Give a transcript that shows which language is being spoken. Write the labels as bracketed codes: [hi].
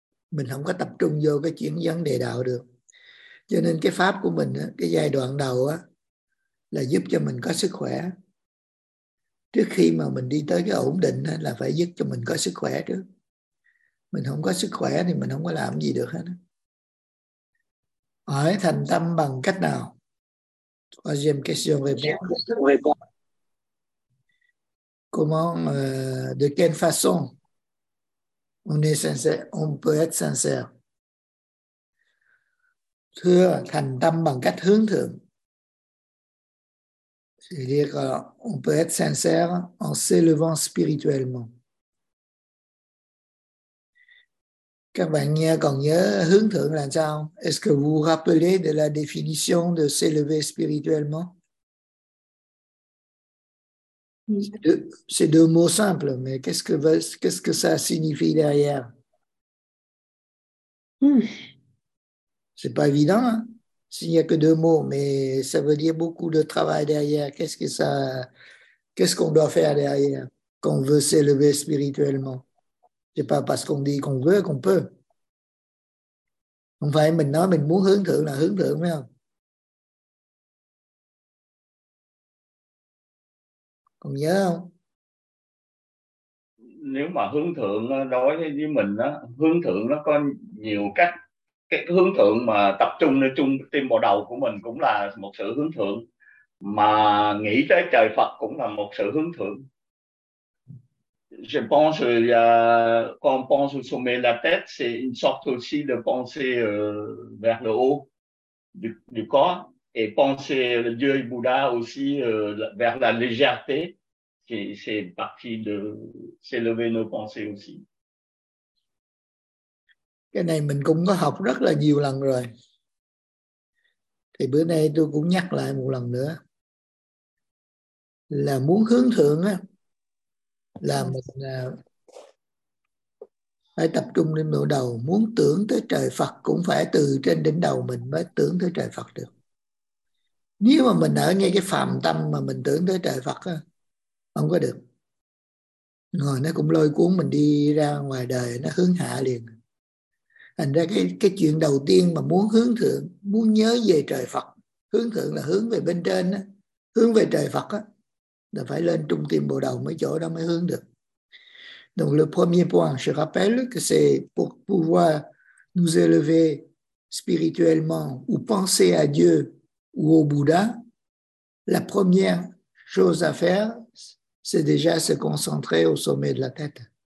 [vi] Mình không có tập trung vô cái chuyện vấn đề đạo được. Cho nên cái pháp của mình, cái giai đoạn đầu á, là giúp cho mình có sức khỏe. Trước khi mà mình đi tới cái ổn định là phải giúp cho mình có sức khỏe trước. Mình không có sức khỏe thì mình không có làm gì được hết á. Hỏi thành tâm bằng cách nào? [fr] Troisième question, réponse. Comment, de quelle façon on est sincère, on peut être sincère? [vi] Thưa, thành tâm bằng cách hướng thượng. [fr] C'est-à-dire qu'on peut être sincère en s'élevant spirituellement. [vi] Các bạn nghe còn nhớ hướng thượng là sao? [fr] Est-ce que vous rappelez de la définition de s'élever spirituellement? C'est deux mots simples, mais qu'est-ce que ça signifie derrière? C'est pas évident, hein? S'il n'y a que deux mots, mais ça veut dire beaucoup de travail derrière. Qu'est-ce qu'on doit faire derrière quand on veut s'élever spirituellement? C'est pas parce qu'on dit qu'on veut qu'on peut. [vi] Không phải mình nói mình muốn hướng thượng là hướng thượng, phải không? Còn nhớ không? Nếu mà hướng thượng đối với mình á, hướng thượng nó có nhiều cách. Cái hướng thượng mà tập trung nơi trung tim bộ đầu của mình cũng là một sự hướng thượng. Mà nghĩ tới trời Phật cũng là một sự hướng thượng. [fr] Je pense quand on pense au sommet de la tête, c'est une sorte aussi de penser vers le haut du corps et penser le Dieu et Bouddha aussi vers la légèreté, qui c'est partie de s'élever nos pensées aussi. [vi] Cái này mình cũng có học rất là nhiều lần rồi. Thì bữa nay tôi cũng nhắc lại một lần nữa là muốn hướng thượng á. Là mình phải tập trung lên bộ đầu. Muốn tưởng tới trời Phật cũng phải từ trên đỉnh đầu mình mới tưởng tới trời Phật được. Nếu mà mình ở ngay cái phàm tâm mà mình tưởng tới trời Phật á, không có được. Rồi nó cũng lôi cuốn mình đi ra ngoài đời, nó hướng hạ liền. Thành ra cái chuyện đầu tiên mà muốn hướng thượng, muốn nhớ về trời Phật, hướng thượng là hướng về bên trên á, hướng về trời Phật á, là phải lên trung tâm bộ đầu mới chỗ đó mới hướng được. [fr] Donc le premier point, je rappelle que c'est pour pouvoir nous élever spirituellement ou penser à Dieu ou au Bouddha, la première chose à faire, c'est déjà se concentrer au sommet de la tête.